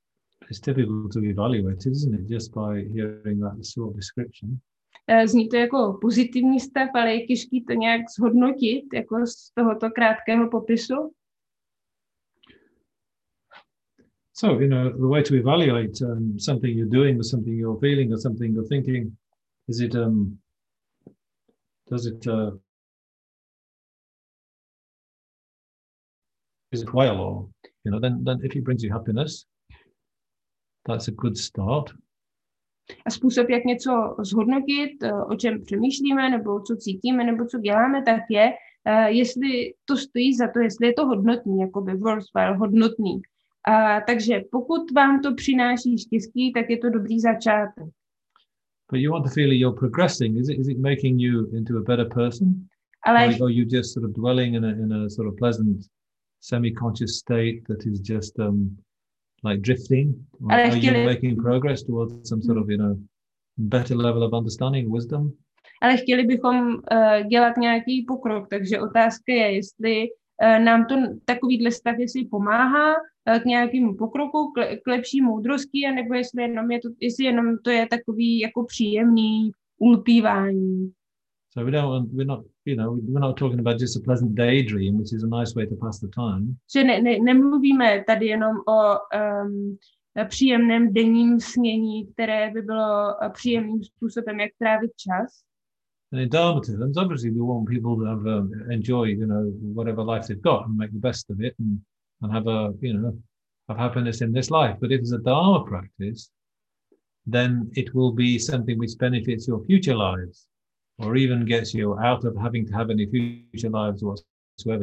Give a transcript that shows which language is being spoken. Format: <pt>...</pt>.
<en>So it's typical to evaluate, isn't it, just by hearing that sort of description.</en> <cs>Zní to jako pozitivní stav, ale je těžký to nějak zhodnotit, jako z tohoto krátkého popisu.</cs> <en>So, you know, the way to evaluate something you're doing or something you're feeling or something you're thinking, is it, does it, is it well, or you know, then if he brings you happiness, that's a good start.</en> <cs>A způsob, jak něco zhodnotit, o čem přemýšlíme, nebo co cítíme, nebo co děláme, tak je, jestli to stojí za to, jestli je to hodnotný, jako by worthwhile, hodnotný. Takže pokud vám to přináší štěstí, tak je to dobrý začátek.</cs> <en>But you want to feel you're progressing. Is it making you into a better person?</en> <cs>Ale</cs> <en>or are you just sort of dwelling in a sort of pleasant semi-conscious state that is just like drifting?</en> <cs>Ale</cs> <en>are you making progress towards some sort of, you know, better level of understanding, wisdom?</en> <cs>Ale chtěli bychom dělat nějaký pokrok, takže otázka je, jestli nám to takovýhle stav, jestli pomáhá k nějakému pokroku, k lepší moudrosti, anebo jestli jenom to je takový jako příjemný ulpívání.</cs> <en>So we're not talking about just a pleasant daydream, which is a nice way to pass the time.</en> <cs>Že nemluvíme tady jenom o příjemném denním snění, které by bylo příjemným způsobem, jak trávit čas.</cs> <en>And in Dharma terms, obviously we want people to have enjoy, you know, whatever life they've got and make the best of it and have a, you know, have happiness in this life. But if it's a Dharma practice, then it will be something which benefits your future lives or even gets you out of having to have any future lives whatsoever.</en>